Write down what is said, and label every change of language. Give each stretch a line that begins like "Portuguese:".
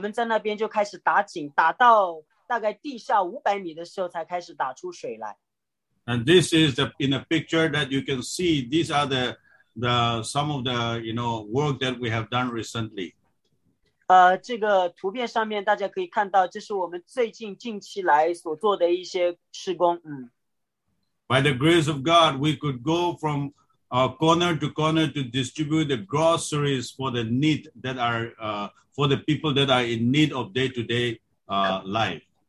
Chinese: 因为在那些极其缺乏贫穷的地方，那人要来打水的话，要走非常非常远的路，所以呢，我们在那边就开始打井，打到 大概地下500米的时候才开始打出水来。
English: And this is the in a picture that you can see. These are the some of the you know work that we have done recently.
Chinese: 这个图片上面大家可以看到，这是我们最近近期来所做的一些施工。
English: By the grace of God, we could go from corner to corner to distribute the groceries for the need that are for the people that are in need of day to day life.